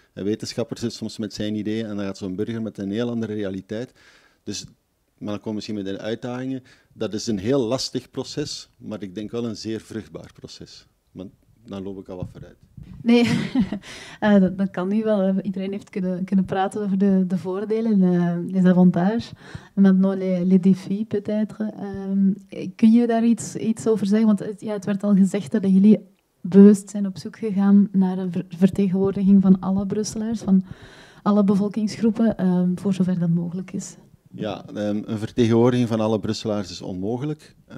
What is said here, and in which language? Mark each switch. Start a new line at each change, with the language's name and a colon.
Dutch: Een wetenschapper zit soms met zijn ideeën en dan gaat zo'n burger met een heel andere realiteit. Dus... Maar dan komen we misschien met de uitdagingen. Dat is een heel lastig proces, maar ik denk wel een zeer vruchtbaar proces. Maar dan loop ik al wat vooruit. Nee, dat kan nu wel. Iedereen heeft kunnen praten over de voordelen,
French: les avantages. Maintenant, les défis, peut-être.
Dutch: Kun je daar iets over zeggen? Want ja, het werd al gezegd dat jullie bewust zijn op zoek gegaan naar een vertegenwoordiging van alle Brusselaars, van alle bevolkingsgroepen, voor zover dat mogelijk is. Ja, een vertegenwoordiging van alle Brusselaars is onmogelijk.